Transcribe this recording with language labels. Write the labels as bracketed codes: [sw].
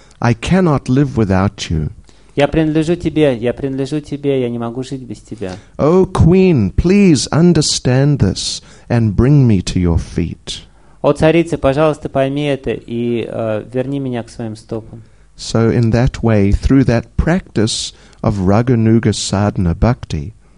[en] I cannot live without you. [ru] Я принадлежу тебе, я принадлежу тебе, я не могу жить без тебя. [en] O queen, please understand this and bring me to your feet. [ru] О царица, пожалуйста, пойми это и верни меня к своим стопам. [en] So in that way, through that practice of Raghunuga Sadhana Bhakti,